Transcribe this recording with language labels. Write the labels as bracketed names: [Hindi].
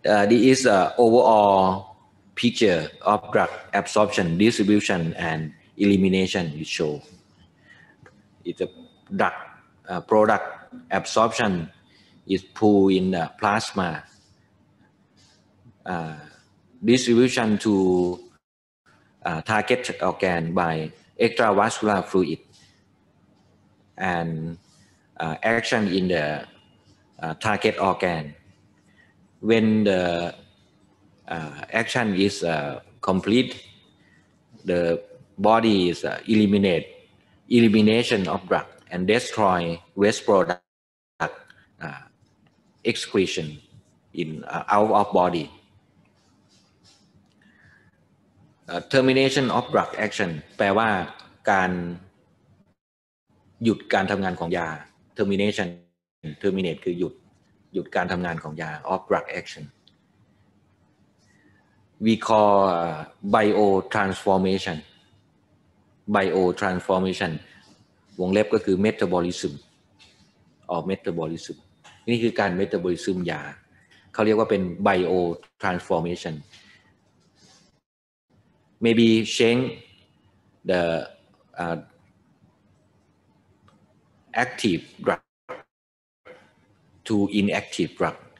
[English] this is a overall picture of drug absorption distribution and elimination it show it's a drug product absorption is pool in the plasma distribution to target organ by extravascular fluid and action in the target organ. When the action is complete, the body is elimination of drug and destroy waste product excretion in out of body. termination of drug action [Thai] แปลว่าการหยุดการทำงานของยา terminate คือหยุดการทำงานของยา [English] of drug action we call biotransformation [Thai] วงเล็บก็คือ [English] metabolism or metabolism [Thai] นี่คือการ [English] metabolism [Thai] ยาเขาเรียกว่าเป็น [English] biotransformationMaybe change the active drug to inactive drug.